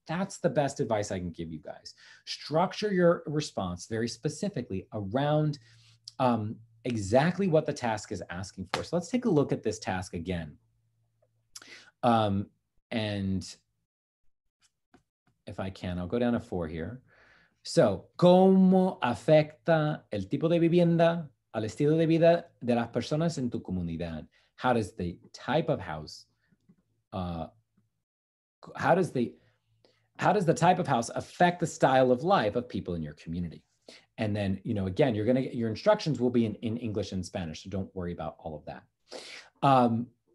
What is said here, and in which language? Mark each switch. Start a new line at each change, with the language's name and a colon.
English: That's the best advice I can give you guys. Structure your response very specifically around exactly what the task is asking for. So let's take a look at this task again. And if I can, I'll go down to four here.
Spanish: So, ¿cómo afecta el tipo de vivienda al estilo de vida de las personas en tu comunidad?
English: How does the type of house, how does the type of house affect the style of life of people in your community? And then, you know, again, you're gonna get, your instructions will be in English and Spanish, so don't worry about all of that.